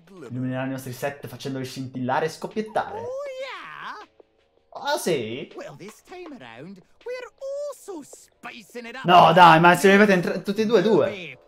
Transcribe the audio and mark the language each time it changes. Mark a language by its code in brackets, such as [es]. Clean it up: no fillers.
[it] Illuminerà i nostri set facendoli scintillare e scoppiettare. [en] Oh yeah. [it] Ah sì. [en] Well, this time around, we're also spicing it up. [it] No, dai, ma se li avete tutti e due, due.